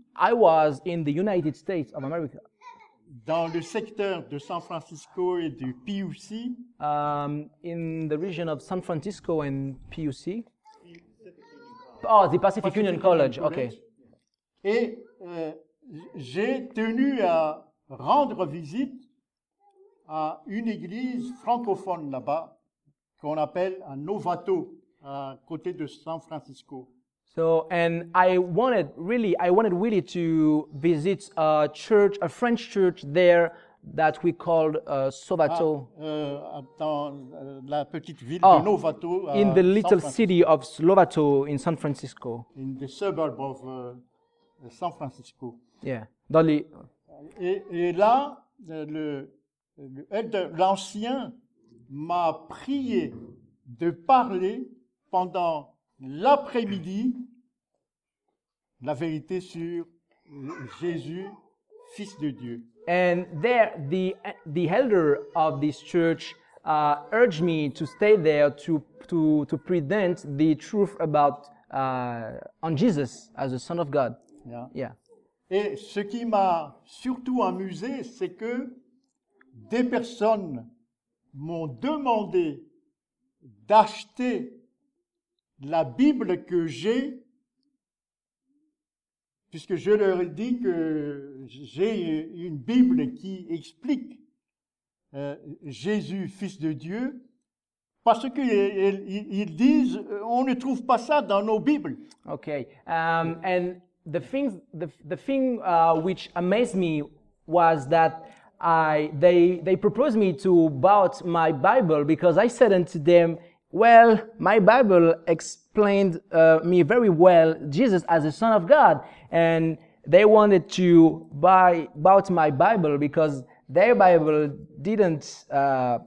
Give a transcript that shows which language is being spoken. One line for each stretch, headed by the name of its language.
English: I was in the United States of America.
French: Dans le secteur de San Francisco et du PUC.
English: In the region of San Francisco and PUC. The Pacific Union College. Okay.
French: Et j'ai tenu à rendre visite à une église francophone là-bas qu'on appelle un Novato à côté de San Francisco.
English: So, and I wanted really to visit a church, a French church there that we called Sovato.
French: La petite ville de Novato.
English: In the little city of Slovato in San Francisco. In the suburb of San Francisco. Yeah, Dolly.
French: Et là, l'ancien m'a prié de parler pendant l'après-midi la vérité sur Jésus, Fils de Dieu.
English: And there, the elder of this church urged me to stay there to present the truth about on Jesus as the Son of God. Yeah.
French: Et ce qui m'a surtout amusé, c'est que des personnes m'ont demandé d'acheter la Bible que j'ai, puisque je leur ai dit que j'ai une Bible qui explique Jésus, Fils de Dieu, parce qu'ils disent on ne trouve pas ça dans nos Bibles.
English: Okay, and the thing which amazed me was that they proposed me to bought my Bible, because I said unto them, well, my Bible explained me very well Jesus as the Son of God, and they wanted to bought my Bible because their Bible didn't their